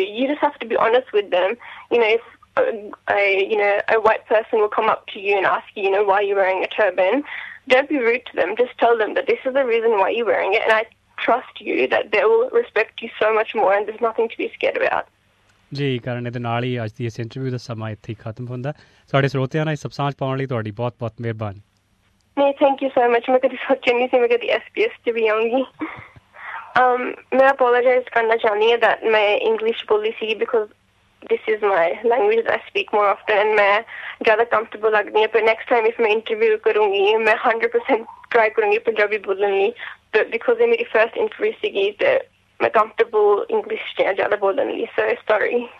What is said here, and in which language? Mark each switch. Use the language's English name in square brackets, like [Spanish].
[English] You just have to be honest with them. You know, if a white person will come up to you and ask you, you know, why you're wearing a turban, Don't be rude to them. Just tell them that this is the reason why you're wearing it and I trust you that they will respect you so much more and there's nothing to be scared about. [Punjabi] ਜੀ ਕਰਨ ਦੇ ਨਾਲ ਹੀ ਅੱਜ ਦੀ ਇਸ interview ਦਾ ਸਮਾਂ ਇੱਥੇ ਹੀ ਖਤਮ ਹੁੰਦਾ ਸਾਡੇ ਸਰੋਤਿਆਂ ਨਾਲ ਇਹ ਸਭ ਸਾਂਝ ਪਾਉਣ ਲਈ ਤੁਹਾਡੀ ਬਹੁਤ ਬਹੁਤ ਮਿਹਰਬਾਨੀ ਨਹੀਂ [English] thank you so much [Punjabi] ਮੈਂ ਕਦੀ ਸੋਚਿਆ ਨਹੀਂ ਸੀ ਮੈਂ ਕਦੀ SBS ਤੇ ਵੀ ਆਉਂਗੀ ਮੈਂ ਅਪੋਲੋਜਾਈਜ਼ ਕਰਨਾ ਚਾਹੁੰਦੀ ਹਾਂ ਦੈਟ ਮੈਂ ਇੰਗਲਿਸ਼ ਬੋਲੀ ਸੀ because [English] this is my language that I speak more often and [Punjabi] main zyada comfortable lagdi hai, [English] but next time if [Punjabi] main interview karungi main 100% try karungi Punjabi bolni, [English] but because it's my first interview sigi that [Punjabi] main comfortable English ch zyada bolni, [English] so sorry.